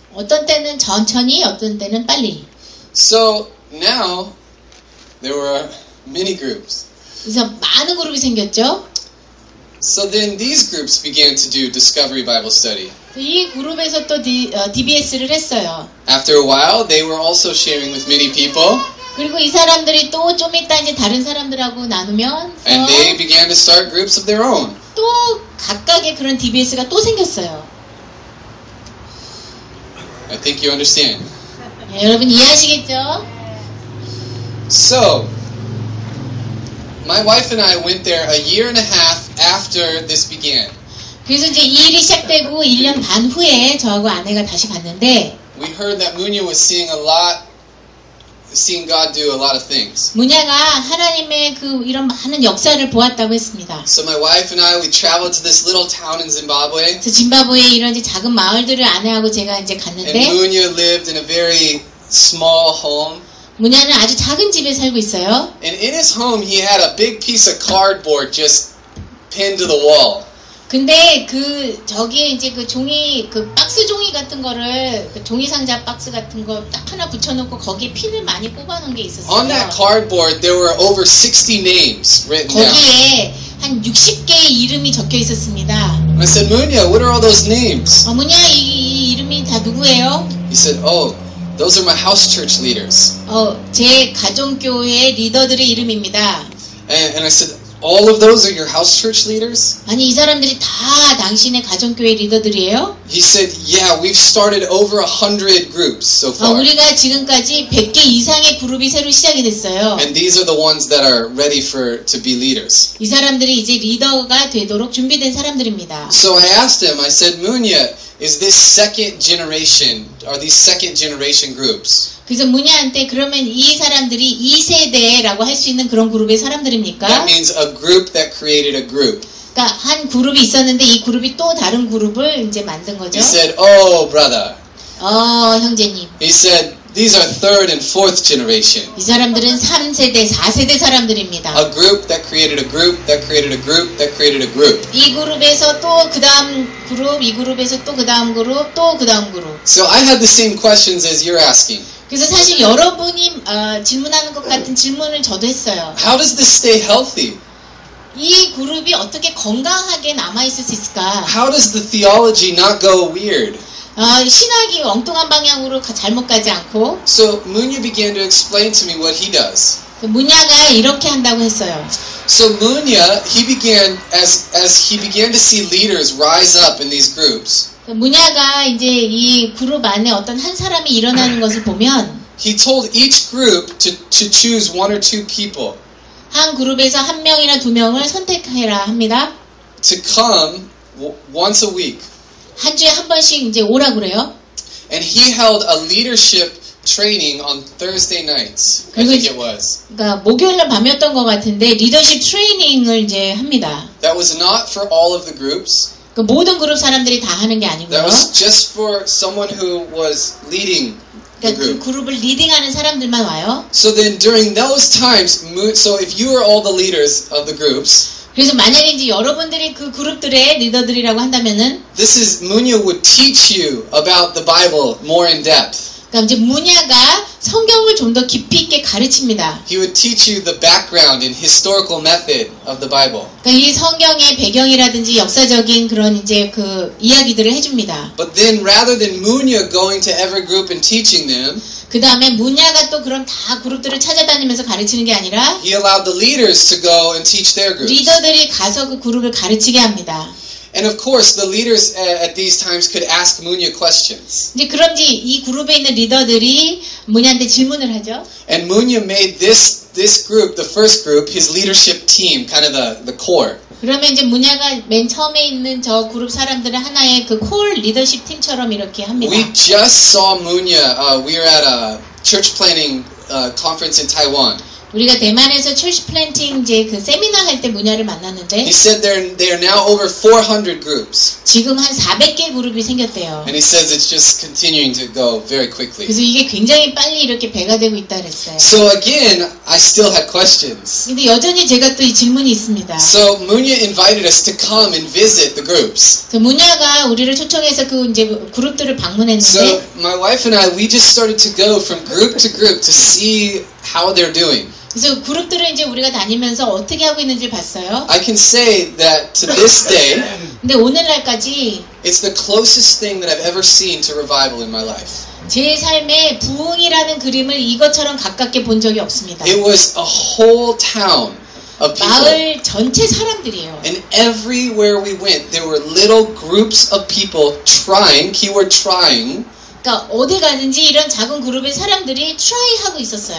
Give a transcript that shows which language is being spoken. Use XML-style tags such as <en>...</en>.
<ko>어떤 때는 천천히, 어떤 때는 빨리.</ko> <en>So now there were many groups.</en> <ko>그래서 많은 그룹이 생겼죠.</ko> <en>So then these groups began to do Discovery Bible Study.</en> <ko>이 그룹에서 또 DBS를 했어요.</ko> <en>After a while, they were also sharing with many people.</en> <ko>그리고 이 사람들이 또 좀 이따 이제 다른 사람들하고 나누면</ko> <en>And they began to start groups of their own.</en> <ko>또 각각의 그런 DBS가 또 생겼어요.</ko> <en>I think you understand.</en> <ko>예, 여러분 이해하시겠죠?</ko> <en>So, my wife and I went there a year and a half after this began.</en> <ko>그래서 이제 이 일이 시작되고 1년 반 후에 저하고 아내가 다시 갔는데</ko> <en>We heard that Munya was seeing a lot seeing God do a lot of things.</en> <ko>무냐가 하나님의 그 이런 많은 역사를 보았다고 했습니다.</ko> <en>So my wife and I we traveled to this little town in Zimbabwe.</en> <ko>저 짐바브웨 이런 이제 작은 마을들을 아내하고 제가 이제 갔는데</ko> <en>And Munya lived in a very small home.</en> <ko>무냐는 아주 작은 집에 살고 있어요.</ko> <en>And in his home he had a big piece of cardboard just pinned to the wall.</en> <ko>근데 그 저기에 이제 그 종이 그 박스 종이 같은 거를 그 종이 상자 박스 같은 거 딱 하나 붙여놓고 거기에 핀을 많이 뽑아놓은 게 있었어요.</ko> <en>On that cardboard there were over 60 names written</en> <ko>거기에</ko> <en>down.</en> <ko>한 60개의 이름이 적혀 있었습니다.</ko> <en>I said, Munya, what are all those names?</en> <ko>무냐 이 이름이 다 누구예요?</ko> <en>He said, Oh, those are my house church leaders.</en> <ko>제 가정교회 리더들의 이름입니다.</ko> <en>And I said. All of those are your house church leaders?</en> <ko>아니 이 사람들이 다 당신의 가정교회 리더들이에요?</ko> <en>He said, "Yeah, we've started over 100 groups so far."</en> <ko>우리가 지금까지 100개 이상의 그룹이 새로 시작이 됐어요.</ko> <en>And these are the ones that are ready for to be leaders.</en> <ko>이 사람들이 이제 리더가 되도록 준비된 사람들입니다.</ko> <en>So I asked him. I said, "Munya, is this second generation? Are these second generation groups?"</en> <ko>그래서 문야한테 그러면 이 사람들이 2세대라고 할 수 있는 그런 그룹의 사람들입니까?</ko> <en>That means a group that created a group.</en> <ko>그러니까 한 그룹이 있었는데 이 그룹이 또 다른 그룹을 이제 만든 거죠.</ko> <en>He said, "Oh, brother."</en> <ko>형제님.</ko> <en>He said, "These are third and fourth generation."</en> <ko>이 사람들은 3세대, 4세대 사람들입니다.</ko> <en>A group that created a group that created a group that created a group.</en> <ko>이 그룹에서 또 그다음 그룹, 이 그룹에서 또 그다음 그룹, 또 그다음 그룹.</ko> <en>So I had the same questions as you're asking.</en> <ko>그래서 사실 여러분이 질문하는 것 같은 질문을 저도 했어요.</ko> <en>How does this stay healthy?</en> <ko>이 그룹이 어떻게 건강하게 남아 있을 수 있을까?</ko> <en>How does the theology not go weird?</en> <ko>신학이 엉뚱한 방향으로 잘못 가지 않고.</ko> <en>So Munya began to explain to me what he does.</en> <ko>무냐가 이렇게 한다고 했어요.</ko> <en>So Munya, he began as he began to see leaders rise up in these groups.</en> <ko>무냐가 이제 이 그룹 안에 어떤 한 사람이 일어나는 것을 보면</ko> <en>He told each group to choose one or two people.</en> <ko>한 그룹에서 한 명이나 두 명을 선택해라 합니다.</ko> <en>To come once a week.</en> <ko>한 주에 한 번씩 이제 오라 그래요.</ko> <en>And he held a leadership training on Thursday nights. I think it was.</en> <ko>그러니까 목요일 날 밤이었던 것 같은데 리더십 트레이닝을 이제 합니다.</ko> <en>That was not for all of the groups.</en> <ko>그 모든 그룹 사람들이 다 하는 게 아니고요.</ko> <en>That was just for someone who was leading the group.</en> <ko>그 그룹을 리딩하는 사람들만 와요.</ko> <en>So then during those times, so if you were all the leaders of the groups,</en> <ko>그래서 만약에 이제 여러분들이 그 그룹들의 리더들이라고 한다면은</ko> <en>This is Munya would teach you about the Bible more in depth.</en> <ko>그럼 이제 무냐가 성경을 좀 더 깊이 있게 가르칩니다.</ko> <en>He would teach you the background and historical method of the Bible.</en> <ko>그러니까 이 성경의 배경이라든지 역사적인 그런 이제 그 이야기들을 해줍니다.</ko> <en>But then rather than Munya going to every group and teaching them,</en> <ko>그 다음에 문야가 또 그럼 다 그룹들을 찾아다니면서 가르치는 게 아니라</ko> <en>He allowed the leaders to go and teach their groups.</en> <ko>리더들이 가서 그 그룹을 가르치게 합니다.</ko> <en>And of course, the leaders at these times could ask Munya questions.</en> <ko>이제 그런지 이 그룹에 있는 리더들이 문야한테 질문을 하죠.</ko> <en>And Munya made this group, the first group, his leadership team, kind of the core.</en> <ko>그러면 이제 문야가 맨 처음에 있는 저 그룹 사람들을 하나의 그 콜 리더십 팀처럼 이렇게 합니다.</ko> <en>We just saw Munya. We were at a church planning conference in Taiwan.</en> <ko>우리가 대만에서</ko> <en>church planting</en> <ko>이제 그 세미나 할 때 문야를 만났는데.</ko> <en>He said there are now over 400 groups.</en> <ko>지금 한 400개 그룹이 생겼대요.</ko> <en>And he says it's just continuing to go very quickly.</en> <ko>그래서 이게 굉장히 빨리 이렇게 배가 되고 있다 그랬어요.</ko> <en>So again, I still had questions.</en> <ko>근데 여전히 제가 또 이 질문이 있습니다.</ko> <en>So Munya invited us to come and visit the groups.</en> <ko>그 문야가 우리를 초청해서 그 이제 그룹들을 방문했는데.</ko> <en>So my wife and I, we just started to go from group to group to see how they're doing.</en> <ko>그래서 그룹들을 이제 우리가 다니면서 어떻게 하고 있는지 봤어요.</ko> <en>I can say that to this day.</en> <ko>근데 오늘날까지</ko> <en>It's the closest thing that I've ever seen to revival in my life.</en> <ko>제 삶에 부흥이라는 그림을 이것처럼 가깝게 본 적이 없습니다.</ko> <en>It was a whole town of people.</en> <ko>마을 전체 사람들이에요.</ko> <en>And everywhere we went there were little groups of people trying, keyword trying.</en> <ko>그러니까 어디 가든지 이런 작은 그룹의 사람들이 try 하고 있었어요.</ko>